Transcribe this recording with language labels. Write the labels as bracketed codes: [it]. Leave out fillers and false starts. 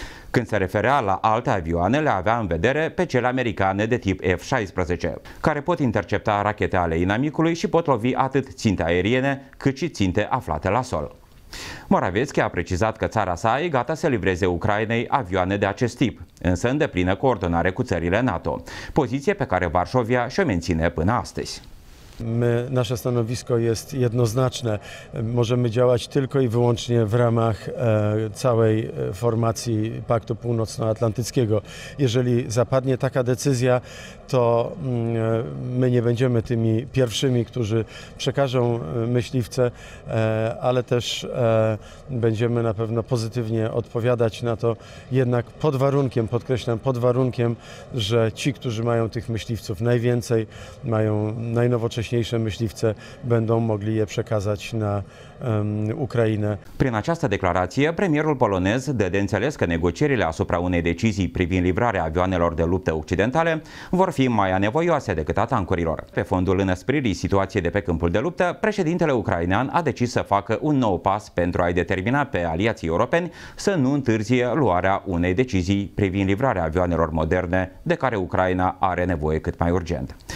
[ro] Când se referea la alte avioane, le avea în vedere pe cele americane de tip F-16, care pot intercepta rachete ale inamicului și pot lovi atât ținte aeriene, cât și ținte aflate la sol. Morawiecki a precizat că țara sa e gata să livreze Ucrainei avioane de acest tip, însă în deplină coordonare cu țările NATO, poziție pe care Varșovia și-o menține până astăzi. [pl] Nasze stanowisko jest jednoznaczne. Możemy działać tylko i wyłącznie w ramach całej formacji Paktu Północnoatlantyckiego. Jeżeli zapadnie taka decyzja, to my nie będziemy tymi pierwszymi, którzy przekażą myśliwce, ale też będziemy na pewno pozytywnie odpowiadać na to, jednak pod warunkiem, podkreślam, pod warunkiem, że ci, którzy mają tych myśliwców najwięcej, mają najnowocześniejsze myśliwce, będą mogli je przekazać na Ucrainę. [ro] Prin această declarație, premierul polonez dă de înțeles că negocierile asupra unei decizii privind livrarea avioanelor de luptă occidentale vor fi mai anevoioase decât atancurilor. Pe fondul înăspririi situației de pe câmpul de luptă, președintele ucrainean a decis să facă un nou pas pentru a-i determina pe aliații europeni să nu întârzie luarea unei decizii privind livrarea avioanelor moderne de care Ucraina are nevoie cât mai urgent.